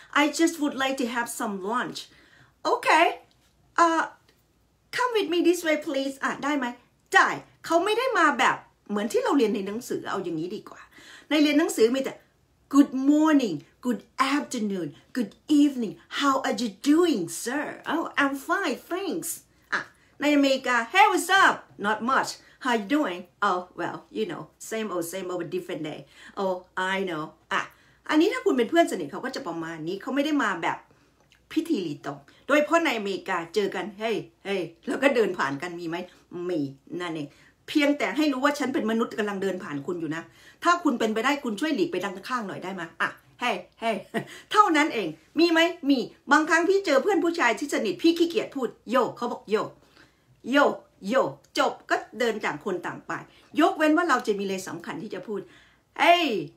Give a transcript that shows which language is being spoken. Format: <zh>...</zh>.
<en>I just would like to have some lunch. Okay. Come with me this way, please.</en> <th>ได้ไหม? ได้. เขาไม่ได้มาแบบเหมือนที่เราเรียนในหนังสือ เอาอย่างนี้ดีกว่าในเรียนหนังสือมีแต่</th> <en>Good morning, Good afternoon, Good evening, How are you doing, sir? Oh, I'm fine, thanks.</en> <th>ในอเมริกา</th> <en>Hey, what's up? Not much. How you doing? Oh, well, you know, same old, same old, but different day. Oh, I know.</en> <th>อันนี้ถ้าคุณเป็นเพื่อนสนิทเขาก็จะประมาณนี้เขาไม่ได้มาแบบพิธีรีตองโดยเพราะในอเมริกาเจอกัน Hey, แล้วก็เดินผ่านกันมีไหมมีนั่นเอง เพียงแต่ให้รู้ว่าฉันเป็นมนุษย์กำลังเดินผ่านคุณอยู่นะถ้าคุณเป็นไปได้คุณช่วยหลีกไปดังข้างหน่อยได้มั้ยอ่ะเฮ้เท่านั้นเองมีไหมมีบางครั้งพี่เจอเพื่อนผู้ชายที่สนิทพี่ขี้เกียจพูดโยเขาบอกโยจบก็เดินจากคนต่างไปยกเว้นว่าเราจะมีอะไรสำคัญที่จะพูด Hey</th>